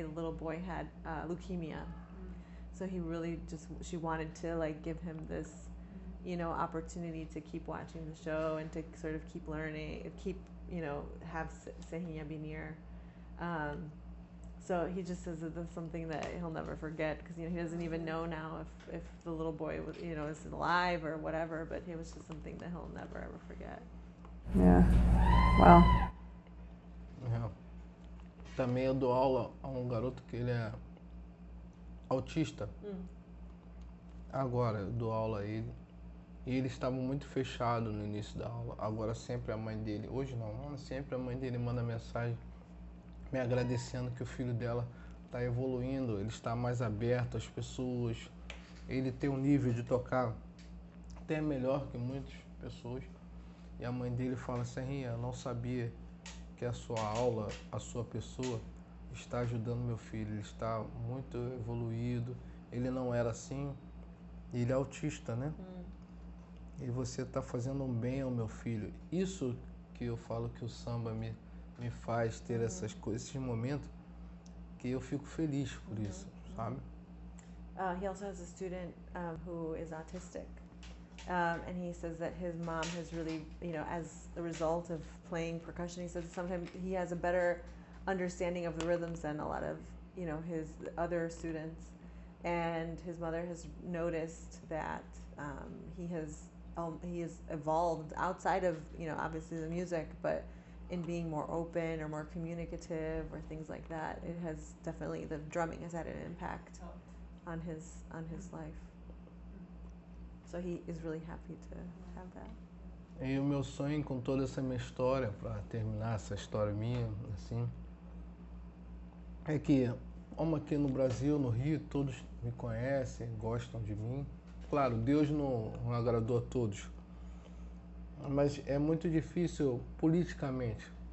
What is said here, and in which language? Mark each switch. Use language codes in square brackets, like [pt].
[en] The little boy had leukemia, so he really she wanted to like give him this, you know, opportunity to keep watching the show and to sort of keep learning, have Serrinha be near. So he just says that that's something that he'll never forget, because, you know, he doesn't even know now if the little boy was, you know, is alive or whatever, but it was just something that he'll never ever forget. Yeah. Wow. Yeah. [pt] Também eu dou aula a um garoto que ele é autista. Agora eu dou aula a ele. E ele estava muito fechado no início da aula. Agora sempre a mãe dele, hoje não, sempre a mãe dele manda mensagem me agradecendo que o filho dela está evoluindo, ele está mais aberto às pessoas, ele tem um nível de tocar até melhor que muitas pessoas. E a mãe dele fala, Serrinha, não sabia que a sua aula, a sua pessoa, está ajudando meu filho, ele está muito evoluído, ele não era assim, ele é autista, né? E você está fazendo um bem ao meu filho. Isso que eu falo que o samba me faz ter essas coisas, esses momentos, que eu fico feliz por isso, sabe? [en] He also has a student who is autistic, and he says that his mom has really, you know, as a result of playing percussion, he says sometimes he has a better understanding of the rhythms than a lot of, you know, his other students. And his mother has noticed that he has evolved outside of, you know, obviously the music, but in being more open or more communicative or things like that. It has definitely, the drumming has had an impact on his life. So he is really happy to have that. [pt] E o meu sonho com toda essa minha história, para terminar essa história minha, assim, é que, como aqui no Brasil, no Rio, todos me conhecem, gostam de mim. Claro, Deus não agradou a todos. Mas é muito difícil politicamente.